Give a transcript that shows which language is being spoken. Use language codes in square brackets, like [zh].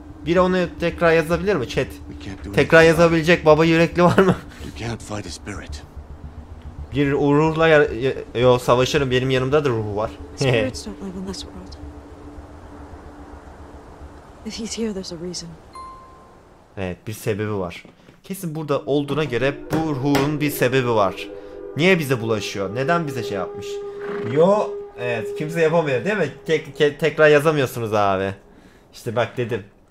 [tr] Biri onu tekrar yazabilir mi chat? Tekrar yazabilecek baba yürekli var mı? [en] You can't fight a spirit. [tr] Bir ruhla yo savaşırım, benim yanımda da ruhu var. [en] Spirits don't live in this world. If he's here, there's a reason. [tr] Evet, bir sebebi var. Kesin burada olduğuna göre bu ruhun bir sebebi var. Niye bize bulaşıyor? Neden bize şey yapmış? Yo, evet, kimse yapamıyor değil mi? Tekrar yazamıyorsunuz abi. İşte bak dedim.